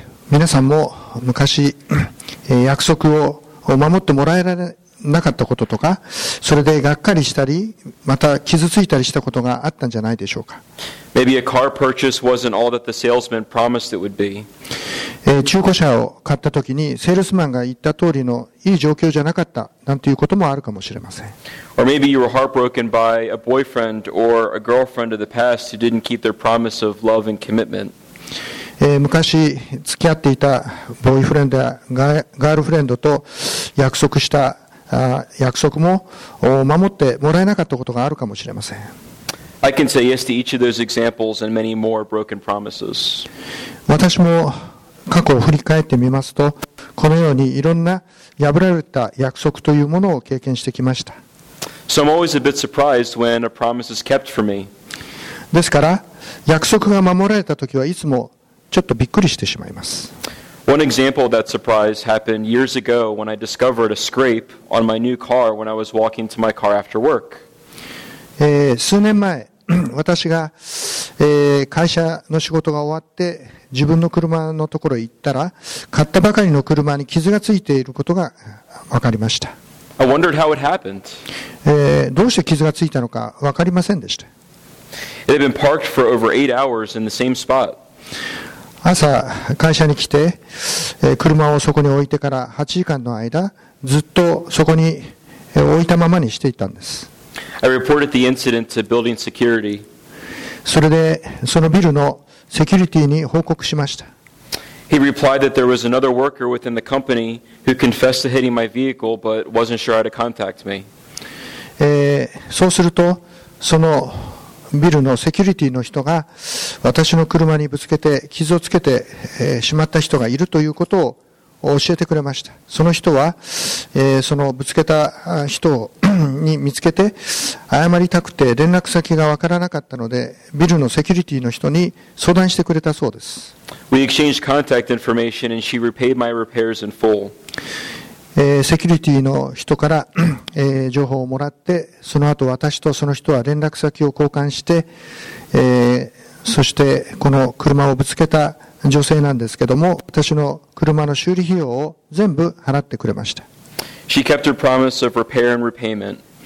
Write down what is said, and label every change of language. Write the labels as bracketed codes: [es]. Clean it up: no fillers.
[ja] 皆さんも昔、約束を守ってもらえられなかったこととか、それでがっかりしたり、また傷ついたりしたことがあったんじゃないでしょうか。 [en] Maybe a car purchase wasn't all that the salesman promised it would be. [ja] 中古車を買ったときに、セールスマンが言った通りのいい状況じゃなかったなんていうこともあるかもしれません。 [en] Or maybe you were heartbroken by a boyfriend or a girlfriend of the past who didn't keep their promise of love and commitment. [ja] 昔付き合っていたボーイフレンドやガールフレンドと約束した約束も守ってもらえなかったことがあるかもしれません。 [en] I can say yes to each of those examples and many more broken promises. [ja] 私も過去を振り返ってみますと、このようにいろんな破られた約束というものを経験してきました。 [en] So I'm always a bit surprised when a promise is kept for me. [ja] ですから約束が守られたときはいつもちょっとびっくりしてしまいます。 [en] One example of that surprise happened years ago when I discovered a scrape on my new car when I was walking to my car after work. [ja] 数年前、私が、会社の仕事が終わって自分の車のところへ行ったら、買ったばかりの車に傷がついていることが分かりました。 [en] I wondered how it happened. [ja] どうして傷がついたのか分かりませんでした。 [en] It had been parked for over 8 hours in the same spot. [ja] 朝会社に来て、車をそこに置いてから8時間の間ずっとそこに置いたままにしていたんです。 [en] I reported the incident to building security. [ja] それでそのビルのセキュリティに報告しました。 [en] He replied that there was another worker within the company who confessed to hitting my vehicle but wasn't sure how to contact me. [ja] そうするとそのビルのセキュリティの人が私の車にぶつけて傷をつけてしまった人がいるということを教えてくれました。その人はそのぶつけた人に見つけて謝りたくて連絡先がわからなかったのでビルのセキュリティの人に相談してくれたそうです。 [en] We exchanged contact information and she repaid my repairs in full. [ja] セキュリティの人から情報をもらって、その後私とその人は連絡先を交換して、そしてこの車をぶつけた女性なんですけども、私の車の修理費用を全部払ってくれました。 [en] She kept her promise of repair and repayment.